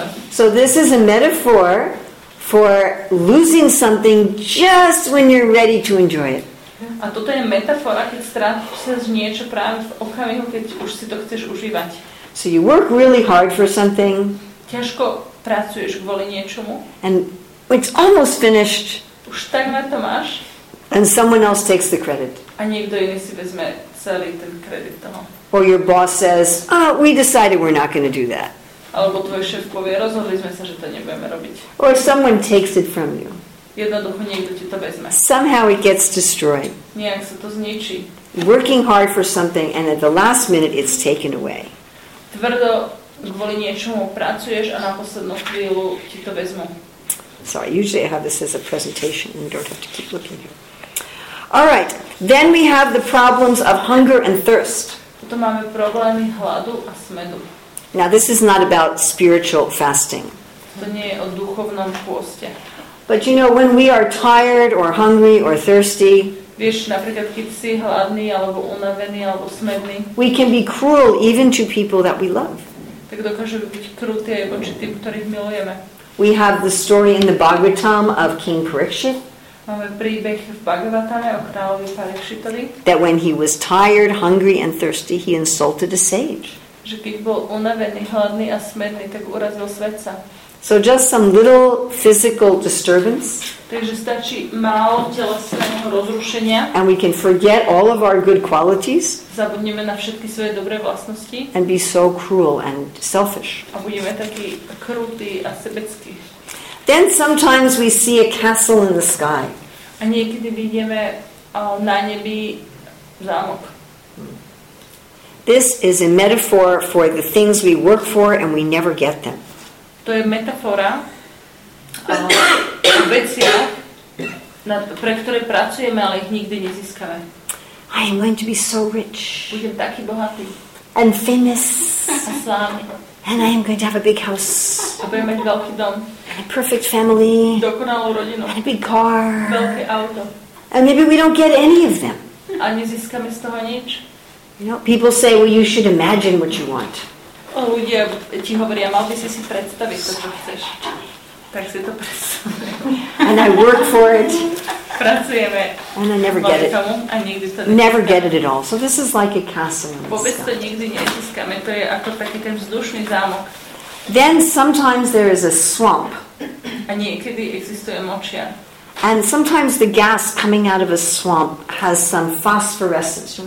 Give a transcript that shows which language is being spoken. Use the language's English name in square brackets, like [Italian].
[English] So this is a metaphor for losing something just when you're ready to enjoy it. [Slovak] A toto je metafora, keď strátiš sa z niečo práve v okamihu, keď už si to chceš užívať. [English] So you work really hard for something. [Slovak] Ťažko pracuješ kvôli niečomu. [English] And it's almost finished. [Slovak] Už takmer to máš. [English] And someone else takes the credit. [Slovak] A niekto iný si vezme celý ten kredit toho. [English] Or your boss says, oh, we decided we're not going to do that. [Slovak] Alebo tvoj šéf povie, rozhodli sme sa, že to nebudeme robiť. [English] Or someone takes it from you. [Slovak] Jednoducho niekto ti to vezme. [English] Somehow it gets destroyed. [Slovak] Nejak sa to zničí. [English] Working hard for something and at the last minute it's taken away. [Slovak] Tvrdo kvôli niečomu pracuješ a na poslednú chvíľu ti to vezmu. [English] Sorry, usually I have this as a presentation and you don't have to keep looking here. All right, then we have the problems of hunger and thirst. [Slovak] To máme problémy hladu a smedu. [English] Now this is not about spiritual fasting. [Slovak] To nie je o duchovnom pôste. [English] But you know, when we are tired or hungry or thirsty, [Slovak] vieš, napríklad keď si hladný alebo unavený alebo smedný, [English] we can be cruel even to people that we love. [Slovak] Tak dokážeme byť krutí aj voči tým, ktorých milujeme. [English] We have the story in the Bhagavatam of King Parikshit. [Slovak] Máme príbeh v Bhagavatame o kráľovi Parikshitovi. [English] That when he was tired, hungry and thirsty, he insulted a sage. [Slovak] Že keď bol unavený, hladný a smedný, tak urazil svedca. [English] So just some little physical disturbance. [Slovak] Takže stačí málo telesného rozrušenia. [English] And we can forget all of our good qualities. [Slovak] Zabudneme na všetky svoje dobré vlastnosti. [English] And be so cruel and selfish. [Slovak] A budeme taký krutý a sebecký. [English] Then sometimes we see a castle in the sky. [Slovak] A niekedy vidíme na nebi zámok. [English] This is a metaphor for the things we work for and we never get them. [Slovak] To je metafora o veciach, pre ktoré pracujeme, ale ich nikdy nezískame. [English] I am going to be so rich. [Slovak] Budem taký bohatý. [English] And famous. [Slovak] A slávny. [English] And I am going to have a big house. [Slovak] A budem mať veľký dom. [English] A perfect family. [Slovak] Dokonalú rodinu. [English] And a big car. [Slovak] Veľké auto. [English] And maybe we don't get any of them. [Slovak] A nezískame z toho nič. [English] You know, people say, well, you should imagine what you want. [Slovak] O ľudia ti hovoria, mal by si si predstaviť to, čo chceš. Tak si to predstavujem. [English] And I work for it. [Slovak] Pracujeme. [English] And I never get it. [Slovak] Tomu, a nikdy to nezískame. [English] Never get it at all. So this is like a castle in the sky. [Slovak] Vôbec to nikdy nezískame. To je ako taký ten vzdušný zámok. [English] Then sometimes there is a swamp. [Slovak] A niekedy existuje močia. [English] And sometimes the gas coming out of a swamp has some phosphorescence.